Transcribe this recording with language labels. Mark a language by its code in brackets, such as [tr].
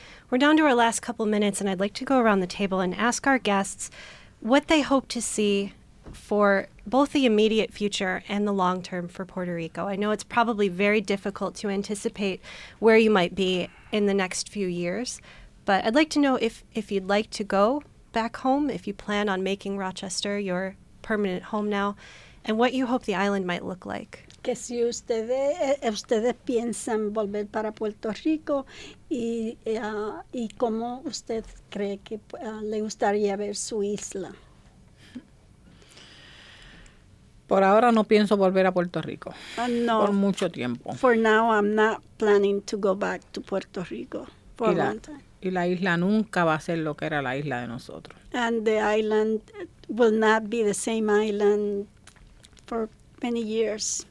[en] We're down to our last couple minutes, and I'd like to go around the table and ask our guests what they hope to see for both the immediate future and the long term for Puerto Rico. I know it's probably very difficult to anticipate where you might be in the next few years, but I'd like to know if you'd like to go back home, if you plan on making Rochester your permanent home now, and what you hope the island might look like. [es] Que si ustedes piensan volver para Puerto Rico y cómo usted cree que le gustaría ver su isla. Por ahora no pienso volver a Puerto Rico. No. Por mucho tiempo. [en] For now, I'm not planning to go back to Puerto Rico for a long time. [es] Y la isla nunca va a ser lo que era la isla de nosotros. [en] And the island will not be the same island for many years.